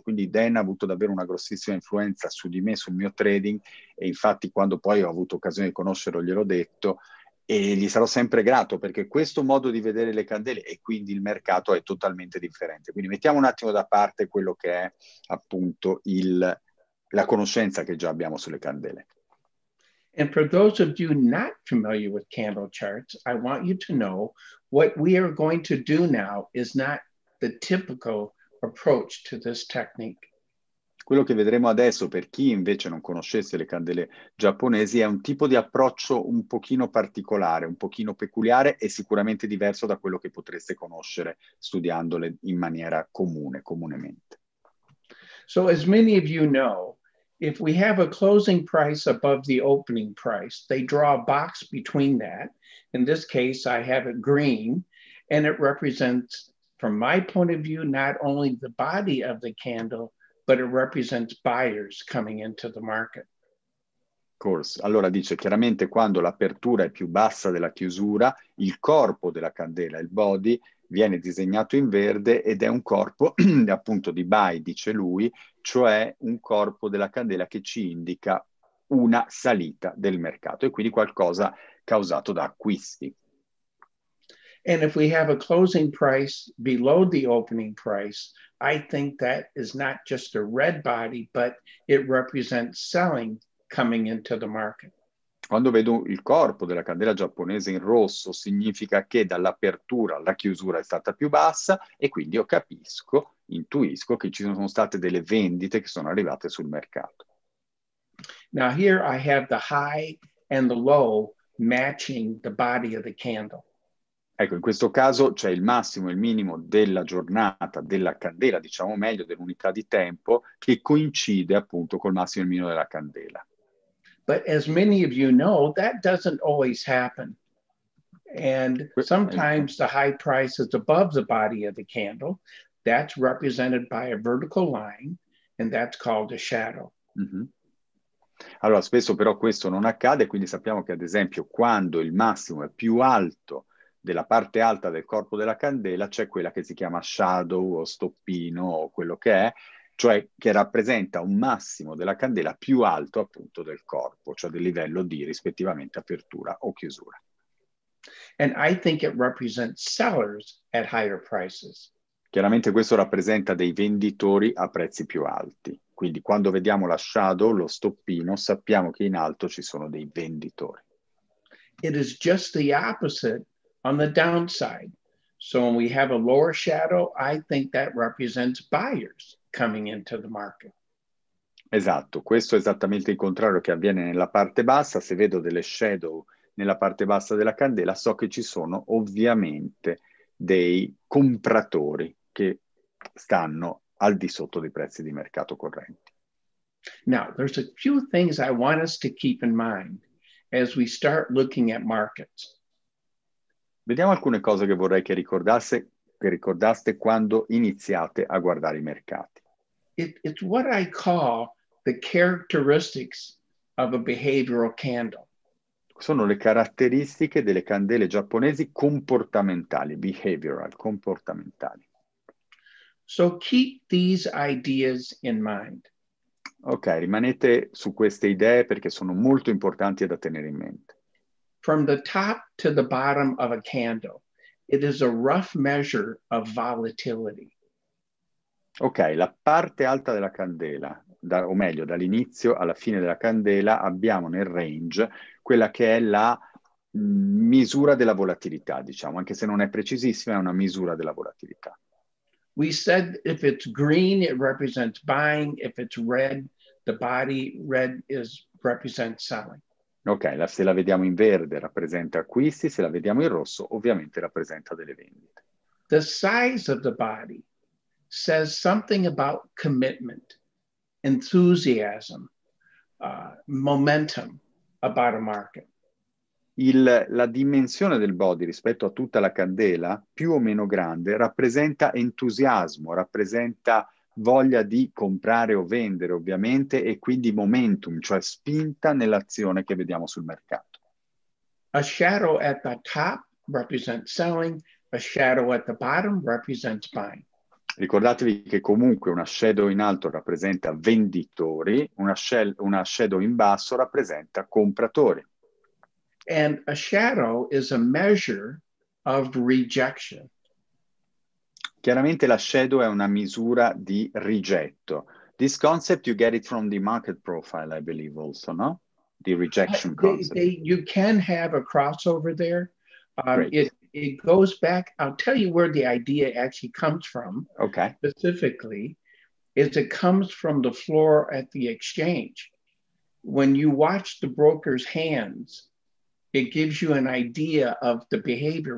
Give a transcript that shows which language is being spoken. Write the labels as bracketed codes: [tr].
[it] Quindi Dan ha avuto davvero una grossissima influenza su di me, sul mio trading, e infatti quando poi ho avuto occasione di conoscerlo gliel'ho detto, e gli sarò sempre grato, perché questo modo di vedere le candele e quindi il mercato è totalmente differente. Quindi mettiamo un attimo da parte quello che è appunto la conoscenza che già abbiamo sulle candele. [en] And for those of you not familiar with candle charts, I want you to know what we are going to do now is not the typical approach to this technique. [it] Quello che vedremo adesso, per chi invece non conoscesse le candele giapponesi, è un tipo di approccio un pochino particolare, un pochino peculiare e sicuramente diverso da quello che potreste conoscere studiandole in maniera comunemente. [en] So as many of you know, if we have a closing price above the opening price, they draw a box between that. In this case, I have it green, and it represents, from my point of view, not only the body of the candle, but it represents buyers coming into the market. Of course. [it] Allora dice, chiaramente quando l'apertura è più bassa della chiusura, il corpo della candela, il body, viene disegnato in verde ed è un corpo appunto di buy, dice lui, cioè un corpo della candela che ci indica una salita del mercato e quindi qualcosa causato da acquisti. [en] And if we have a closing price below the opening price, I think that is not just a red body, but it represents selling coming into the market. [it] Quando vedo il corpo della candela giapponese in rosso, significa che dall'apertura alla chiusura è stata più bassa e quindi io capisco, intuisco che ci sono state delle vendite che sono arrivate sul mercato. [en] Now here I have the high and the low matching the body of the candle. [it] Ecco, in questo caso c'è il massimo e il minimo della giornata, della candela, diciamo meglio, dell'unità di tempo, che coincide appunto col massimo e il minimo della candela. [en] But as many of you know, that doesn't always happen. And sometimes the high price is above the body of the candle. That's represented by a vertical line, and that's called a shadow. Mm-hmm. [it] Allora, spesso però questo non accade, quindi sappiamo che ad esempio quando il massimo è più alto della parte alta del corpo della candela, c'è quella che si chiama shadow o stoppino o quello che è, cioè che rappresenta un massimo della candela più alto appunto del corpo, cioè del livello di rispettivamente apertura o chiusura. [en] And I think it represents sellers at higher prices. [it] Chiaramente questo rappresenta dei venditori a prezzi più alti. Quindi quando vediamo la shadow, lo stoppino, sappiamo che in alto ci sono dei venditori. [en] It is just the opposite on the downside. So when we have a lower shadow, I think that represents buyers coming into the market. [it] Esatto, questo è esattamente il contrario che avviene nella parte bassa. Se vedo delle shadow nella parte bassa della candela, so che ci sono ovviamente dei compratori che stanno al di sotto dei prezzi di mercato correnti. [en] Now, there's a few things I want us to keep in mind as we start looking at markets. [it] Vediamo alcune cose che vorrei che ricordaste quando iniziate a guardare i mercati. [en] It's what I call the characteristics of a behavioral candle. [it] Sono le caratteristiche delle candele giapponesi comportamentali, behavioral, comportamentali. [en] So keep these ideas in mind. [it] Ok, rimanete su queste idee perché sono molto importanti da tenere in mente. [en] From the top to the bottom of a candle, it is a rough measure of volatility. [it] Ok, la parte alta della candela, o meglio, dall'inizio alla fine della candela, abbiamo nel range quella che è la misura della volatilità, diciamo, anche se non è precisissima, è una misura della volatilità. [en] We said if it's green, it represents buying. If it's red, the body red represents selling. [it] Ok, se la vediamo in verde rappresenta acquisti, se la vediamo in rosso ovviamente rappresenta delle vendite. [en] The size of the body says something about commitment, enthusiasm, momentum about a market. [it] La dimensione del body rispetto a tutta la candela, più o meno grande, rappresenta entusiasmo, rappresenta voglia di comprare o vendere, ovviamente, e quindi momentum, cioè spinta nell'azione che vediamo sul mercato. [en] A shadow at the top represents selling, a shadow at the bottom represents buying. [it] Ricordatevi che comunque una shadow in alto rappresenta venditori, una shadow in basso rappresenta compratori. [en] And a shadow is a measure of rejection. [it] Chiaramente la shadow è una misura di rigetto. [en] This concept you get it from the market profile, I believe also, no? The rejection concept. You can have a crossover there. Great. It goes back. I'll tell you where the idea actually comes from Okay. specifically. Is it comes from the floor at the exchange. When you watch the broker's hands, it gives you an idea of the behavior.